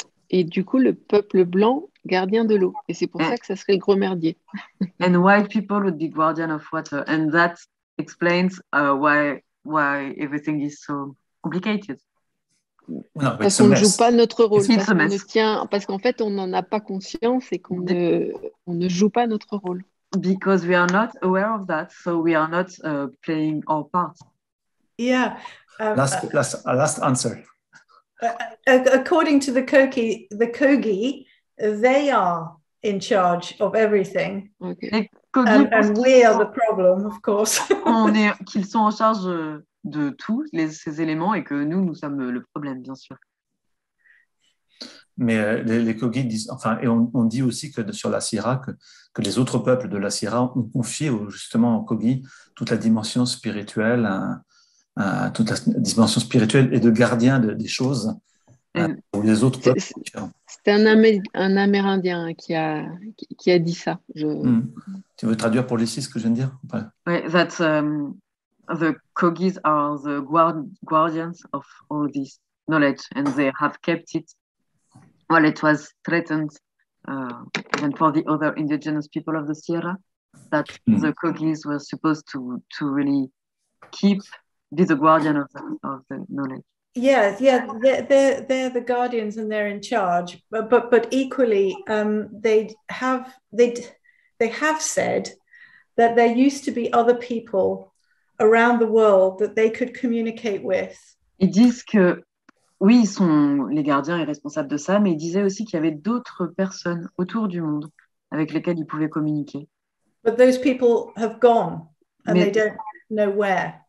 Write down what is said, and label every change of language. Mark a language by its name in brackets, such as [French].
[French] Et du coup, le peuple blanc, gardien de l'eau. Et c'est pour ça que ça serait le gros merdier. [English] And white people would be guardian of water. And that explains why everything is so complicated. [French] Parce qu'on ne joue pas notre rôle. [English] It's [French] parce, ne tient, parce qu'en fait, on n'en a pas conscience et qu'on ne joue pas notre rôle. [English] Because we are not aware of that, so we are not playing our part. Yeah. Last answer. According to the Kogi, they are in charge of everything. Okay. And we are the problem, of course. [French] qu'ils sont en charge de tous ces éléments et que nous sommes le problème, bien sûr. Mais les Kogi disent, enfin, et on dit aussi que sur la Sierra, que les autres peuples de la Sierra ont confié justement aux Kogi toute la dimension spirituelle. Toute la dimension spirituelle et de gardien des choses pour les autres peuples. C'est un Amérindien qui a dit ça. Tu veux traduire pour Lucy ce que je viens de dire? [English] Oui, that the Kogis are the guardians of all this knowledge and they have kept it while it was threatened even for the other indigenous people of the Sierra, that the Kogis were supposed to really keep. Be the guardian of the knowledge. Yeah, they're the guardians and they're in charge. But equally, they have said that there used to be other people around the world that they could communicate with. [French] Ils disent que oui, ils sont les gardiens et responsables de ça, mais ils disaient aussi qu'il y avait d'autres personnes autour du monde avec lesquels ils pouvaient communiquer. [English] But those people have gone and they don't know where.